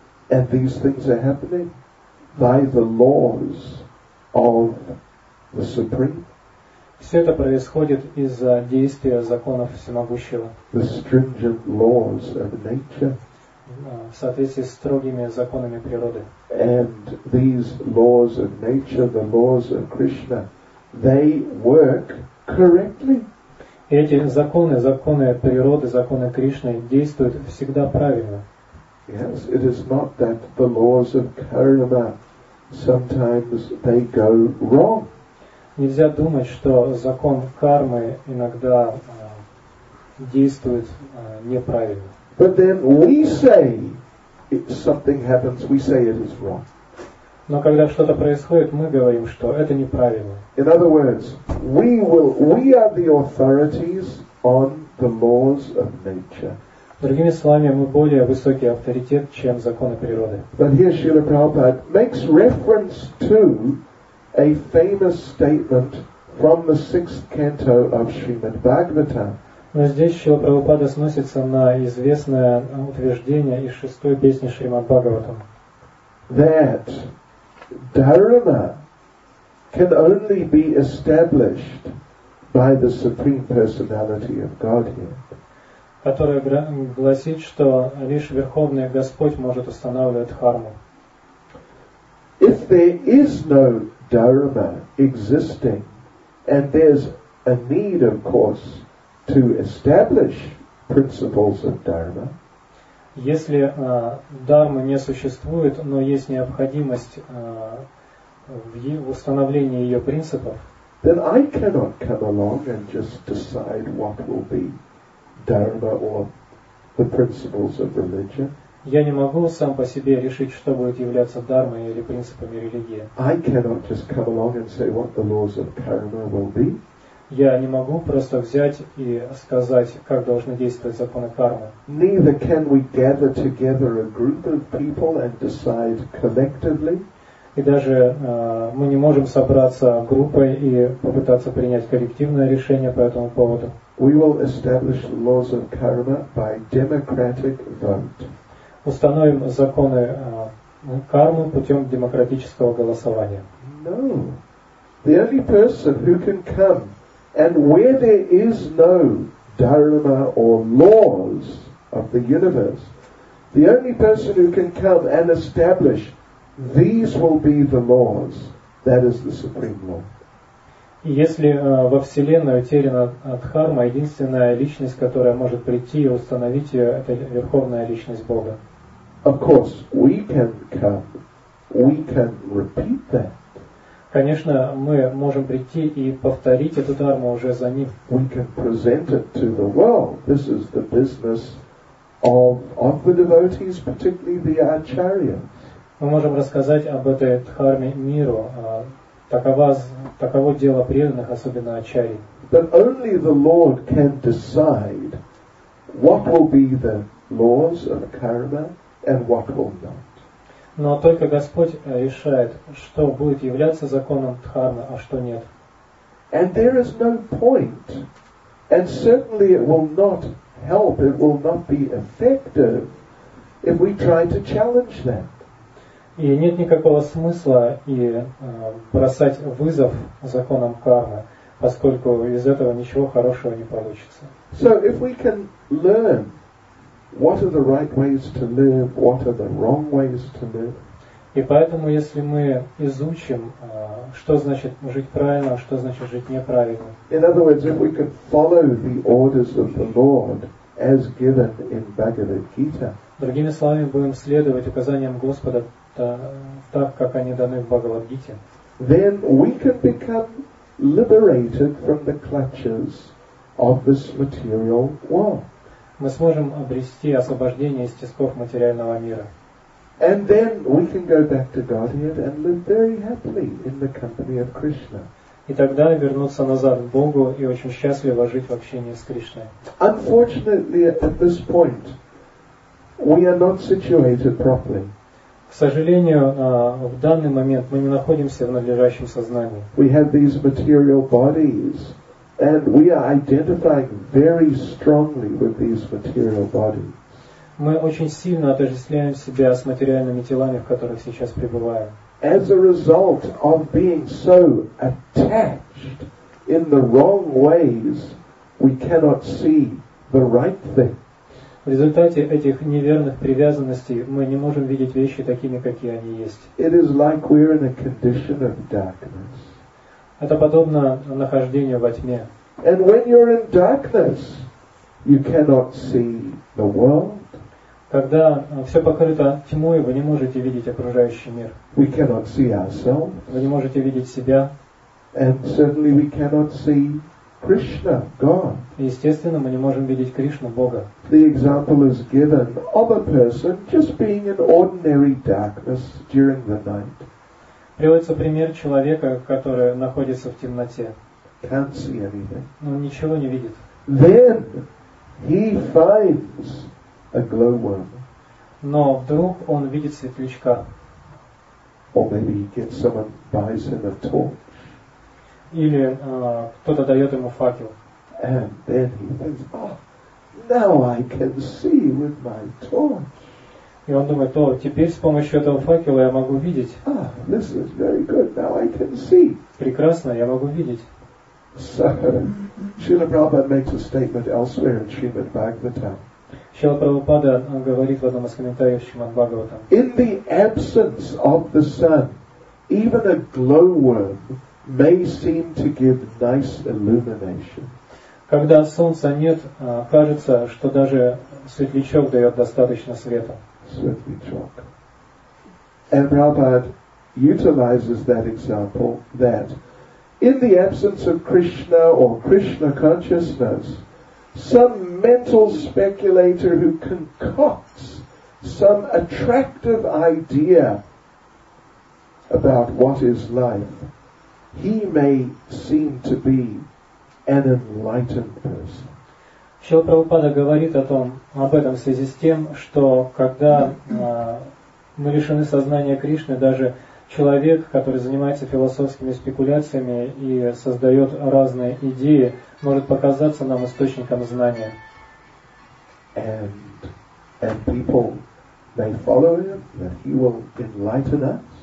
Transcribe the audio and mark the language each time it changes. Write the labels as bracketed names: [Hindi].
[English] And these things are happening by the laws of the Supreme. [Russian] Все это происходит из-за действия законов всемогущего. [English] The stringent laws of nature. [Russian] В соответствии с строгими законами природы. [English] And these laws of nature, the laws of Krishna, they work correctly. [Russian] Эти законы, законы природы, законы Кришны действуют всегда правильно. [English] Yes, it is not that the laws of karma sometimes they go wrong. [Russian] Нельзя думать, что закон кармы иногда действует неправильно. [English] But then we say if something happens, we say it is wrong. [Russian] Но когда что-то происходит, мы говорим, что это неправильно. [English] In other words, we are the authorities on the laws of nature. [Russian] Другими словами, мы более высокий авторитет, чем законы природы. [English] But here Srila Prabhupada makes reference to a famous statement from the sixth canto of Srimad Bhagavatam. [Russian] Но здесь Шрила Прабхупада сносится на известное утверждение из шестой песни Шримад Бхагаватам. [English] That dharma can only be established by the Supreme Personality of Godhead. [Russian] Которая гласит, что лишь Верховный Господь может устанавливать дхарму. [English] If there is no dharma existing, and there's a need, of course, to establish principles of dharma. [Russian] Если дхармы не существует, но есть необходимость в установлении ее принципов, [English] then I cannot come along and just decide what will be dharma or the principles of religion. [Russian] Я не могу сам по себе решить, что будет являться дхармой или принципами религии. [English] I cannot just come along and say what the laws of karma will be. [Russian] Я не могу просто взять и сказать, как должны действовать законы кармы. [English] Neither can we gather together a group of people and decide collectively. [Russian] И даже мы не можем собраться группой и попытаться принять коллективное решение по этому поводу. [English] We will establish laws of karma by democratic vote. [Russian] Установим законы кармы путем демократического голосования. [English] No. The only person who can come and where there is no dharma or laws of the universe, the only person who can come and establish these will be the laws, that is the Supreme Law. [Russian] Если во Вселенной утеряна дхарма, единственная личность, которая может прийти и установить ее, это Верховная Личность Бога. [English] Of course, we can come, we can repeat that. [Russian] Конечно, мы можем прийти и повторить эту дхарму уже за ним. [English] We can present it to the world. This is the business of the devotees, particularly the acharyas. [Russian] Мы можем рассказать об этой дхарме миру, таково дело преданных, особенно Ачари. [English] But only the Lord can decide what will be the laws of karma and what will not. [Russian] Но только Господь решает, что будет являться законом дхармы, а что нет. [English] And there is no point, and certainly it will not help, it will not be effective, if we try to challenge that. [Russian] И нет никакого смысла и бросать вызов законам кармы, поскольку из этого ничего хорошего не получится. [English] So if we can learn what are the right ways to live, what are the wrong ways to live. [Russian] И поэтому, если мы изучим, что значит жить правильно, а что значит жить неправильно. [English] In other words, if we could follow the orders of the Lord as given in Bhagavad Gita. [Russian] Другими словами, будем следовать указаниям Господа так, как они даны в Бхагавад-гите. [English] Then we can become liberated from the clutches of this material world. [Russian] Мы сможем обрести освобождение из тисков материального мира. [English] And then we can go back to Godhead and live very happily in the company of Krishna. [Russian] И тогда вернуться назад к Богу и очень счастливо жить в общении с Кришной. [English] Unfortunately, at this point, we are not situated properly. [Russian] К сожалению, в данный момент мы не находимся в надлежащем сознании. [English] We have these material bodies, and we are identifying very strongly with these material bodies. [Russian] Мы очень сильно отождествляем себя с материальными телами, в которых сейчас пребываем. [English] As a result of being so attached in the wrong ways, we cannot see the right thing. [Russian] В результате этих неверных привязанностей мы не можем видеть вещи такими, какие они есть. [English] It is like we're in a condition of darkness. [Russian] Это подобно нахождению во тьме. [English] And when you're in darkness, you cannot see the world. [Russian] Когда все покрыто тьмой, вы не можете видеть окружающий мир. [English] We cannot see ourselves. [Russian] Вы не можете видеть себя. [English] And certainly we cannot see Krishna, God. [Russian] Естественно, мы не можем видеть Кришну, Бога. [English] The example is given of a person just being in ordinary darkness during the night. [Russian] Приводится пример человека, который находится в темноте. [English] Can't see anything. [Russian] Но ничего не видит. [English] Then he finds a glowworm. [Russian] Но вдруг он видит светлячка. [English] Or maybe he gets someone buys him a torch. [Russian] Или кто-то дает ему факел. [English] And then he thinks, oh, now I can see with my torch. [Russian] И он думает, о, теперь с помощью этого факела я могу видеть. [English] Ah, this is very good. Now I can see. [Russian] Прекрасно, я могу видеть. [English] So, Srila Prabhupada makes a statement elsewhere in Srimad Bhagavatam. [Russian] Шрила Прабхупада говорит в одном из комментариев Шримад Бхагаватам. [English] In the absence of the sun, even a glowworm may seem to give nice illumination. [Russian] Когда солнца нет, кажется, что даже светлячок дает достаточно света. Светлячок. [English] And Prabhupada utilizes that example that in the absence of Krishna or Krishna consciousness, some mental speculator who concocts some attractive idea about what is life, he may seem to be an enlightened person. [Russian] Шрила Прабхупада говорит о том, об этом в связи с тем, что когда мы лишены сознания Кришны, даже человек, который занимается философскими спекуляциями и создает разные идеи, может показаться нам источником знания. [English] And people may follow him, that he will enlighten us.